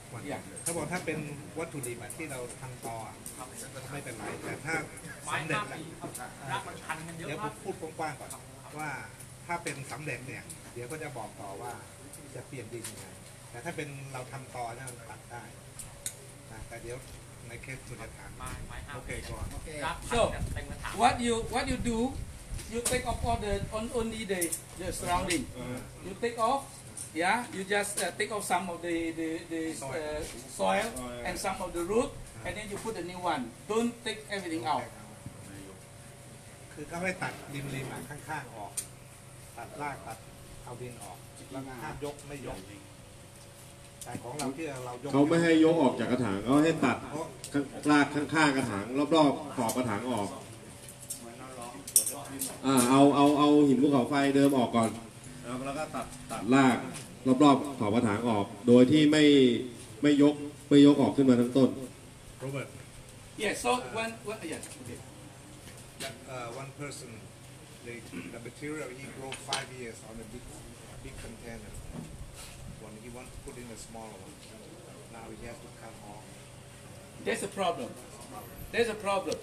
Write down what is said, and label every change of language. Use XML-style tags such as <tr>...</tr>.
<th>Yeah. ถ้าบอกถ้าเป็นวัตถุดิบที่เราทำต่อไม่เป็นไรแต่ถ้าสำเร็จเดี๋ยวผมพูดกว้างๆก่อนว่าถ้าเป็นสำเร็จเนี่ยเดี๋ยวก็จะบอกต่อว่าจะเปลี่ยนดินยังไงแต่ถ้าเป็นเราทำต่อเนี่ยตัดได้นะแต่เดี๋ยวในเคสคุณจะถามโอเคก่อน</th> <en>ครับ so what you do you take off all the only the surrounding you take off yeah you just take off some of the soil and some of the root and then you put a new one don't take everything out</en> <th>คือก็ให้ตัดริมๆข้างๆออกตัดรากตัดเอาดินออกถ้ายกไม่ยกแต่ของเราที่เรายก เขาไม่ให้ยกออกจากกระถางเขาให้ตัดรากข้างๆกระถางรอบๆขอบกระถางออกเอาหินภูเขาไฟเดิมออกก่อน แล้วก็ตัด รากรอบๆขอบกระถางออกโดยที่ไม่ยกไม่ยกออกขึ้นมาทั้งต้น โรเบิร์ต</th> <en>yes so one yes one person the material he grow 5 years on the big container. When he wants to put in a smaller one, now he has to cut off. That's a problem.</en>